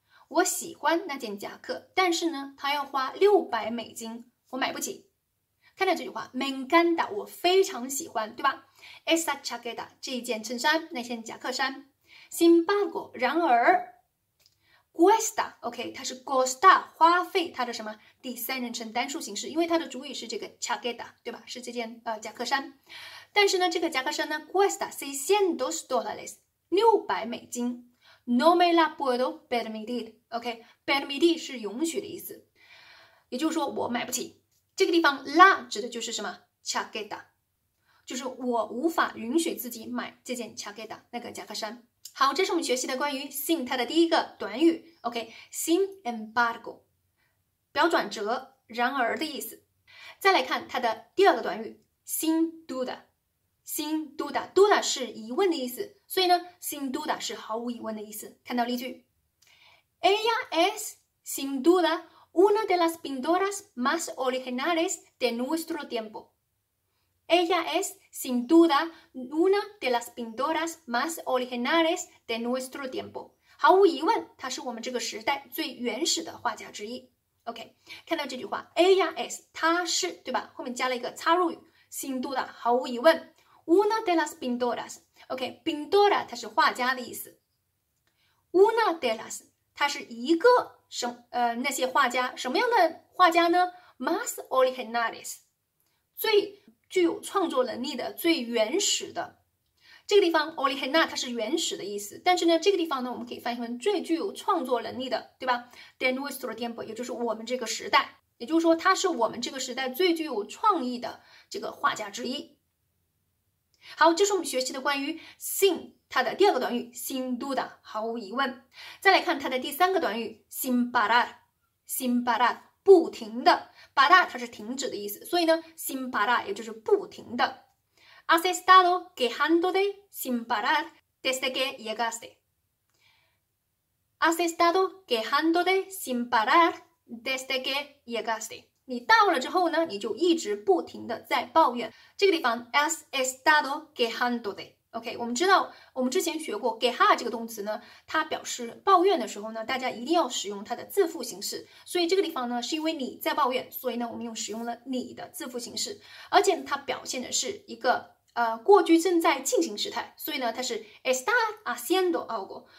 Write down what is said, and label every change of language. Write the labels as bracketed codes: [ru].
[zh] 我喜欢那件夹克，但是呢，它要花$600，我买不起。看到这句话 ， [es] me encanta， [zh] 我非常喜欢，对吧 ？ [es] esa chaqueta [zh] 这一件衬衫，那件夹克衫。 [es] sin embargo [zh] 然而 ， [es] cuesta， [zh] OK，、okay, 它是 costa 花费，它的什么第三人称单数形式，因为它的主语是这个 chaqueta， 对吧？是这件夹克衫。但是呢，这个夹克衫呢 ， [es] cuesta [zh] $600， 600。 [es] No me la puedo permitir， [zh] OK，permitir 是允许的意思，也就是说我买不起。这个地方 la 指的就是什么 chaqueta， 就是我无法允许自己买这件 chaqueta 那个夹克衫。好，这是我们学习的关于 sin 它的第一个短语 ，OK， sin embargo， 表转折，然而的意思。再来看它的第二个短语 sin duda， sin duda， duda 是疑问的意思，所以呢 sin duda 是毫无疑问的意思。看到例句 ， [es] ella es sin duda。 Una de las pintoras más originales de nuestro tiempo. Ella es, sin duda, una de las pintoras más originales de nuestro tiempo. [zh] 毫无疑问，她是我们这个时代最原始的画家之一。 OK， 看到这句话 ， [es] Ella es， [zh] 她是，对吧？后面加了一个插入语 ，sin duda， 毫无疑问 ， [es] una de las pintoras。 [zh] OK， pintora 它是画家的意思 ，una de las 它是一个。那些画家什么样的画家呢 ？ [es] Más originales， [zh] 最具有创作能力的、最原始的。这个地方 originar 它是原始的意思，但是呢，这个地方呢，我们可以翻译成最具有创作能力的，对吧 ？ [es] De nuestro tiempo， [zh] 也就是我们这个时代，也就是说，他是我们这个时代最具有创意的这个画家之一。好，这是我们学习的关于 sin 它的第二个短语 sin duda， 毫无疑问。再来看它的第三个短语 sin parar， sin parar， 不停的， parar 它是停止的意思，所以呢 sin parar 也就是不停的。 [es] Has estado quejándote sin parar desde que llegaste. Has estado quejándote sin parar desde que llegaste. [zh] 你到了之后呢，你就一直不停的在抱怨。这个地方 ， [es] has estado quejándote。 [zh] OK， 我们知道，我们之前学过 quejar 这个动词呢，它表示抱怨的时候呢，大家一定要使用它的自复形式。所以这个地方呢，是因为你在抱怨，所以呢，我们用使用了你的自复形式，而且它表现的是一个过去正在进行时态，所以呢，它是 [es] está haciendo algo。